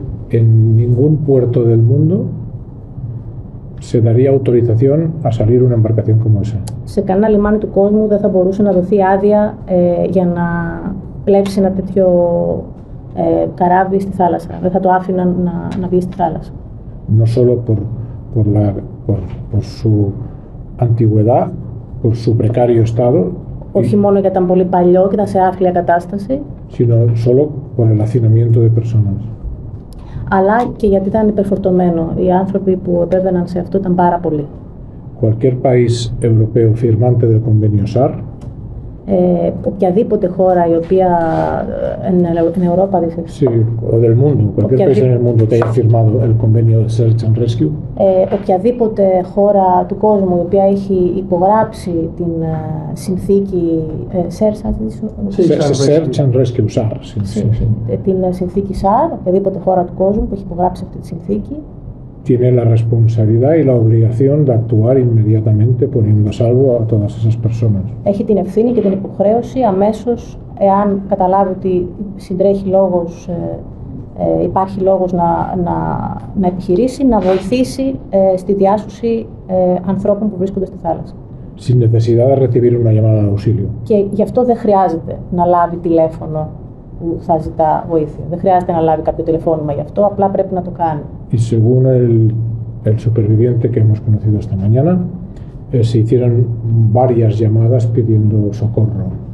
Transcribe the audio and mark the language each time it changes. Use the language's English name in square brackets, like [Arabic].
[Spanish] En ningún puerto del mundo se daría autorización a salir una embarcación como esa. [Greek] Σε κανένα λιμάνι του κόσμου δεν θα μπορούσε να δοθεί άδεια για να πλέψει ένα τέτοιο καράβι στη θάλασσα. Δεν θα το άφηναν να βγει στη θάλασσα. [Spanish] No solo por su antigüedad, por su precario estado, [Greek] Όχι μόνο γιατί ήταν πολύ παλιό και ήταν σε άθλια κατάσταση, [Spanish] sino solo por el hacinamiento de personas. [Greek] αλλά και γιατί ήταν υπερφορτωμένο. Οι άνθρωποι που επέβαιναν σε αυτό ήταν πάρα πολλοί. [Spanish] Cualquier país europeo firmante del convenio SAR [Greek] Οποιαδήποτε χώρα η οποία εν Ευρώπα [Spanish] Sí, o del mundo, cualquier país en el mundo que haya firmado el convenio de Search and Rescue. [Greek] Οποιαδήποτε χώρα του κόσμου η οποία έχει υπογράψει την συνθήκη [English] Search and Rescue, SAR. [Greek] Την συνθήκη SAR, οποιαδήποτε χώρα του κόσμου που έχει υπογράψει αυτή τη συνθήκη. [Spanish] Tiene la responsabilidad y la obligación de actuar inmediatamente poniendo a salvo a todas esas personas. [Greek] Έχει την ευθύνη και την υποχρέωση αμέσως, εάν καταλάβει ότι συντρέχει λόγος, υπάρχει λόγος να επιχειρήσει, να βοηθήσει στη διάσωση ανθρώπων που βρίσκονται στη θάλασσα. [Spanish] Sin necesidad de recibir una llamada de auxilio. [Greek] Και γι' αυτό δεν χρειάζεται να λάβει τηλέφωνο που θα ζητά βοήθεια. Δεν χρειάζεται να λάβει κάποιο τηλεφώνημα γι' αυτό, απλά πρέπει να το κάνει. [Spanish] Y según el superviviente que hemos conocido esta mañana, se hicieron varias llamadas pidiendo socorro.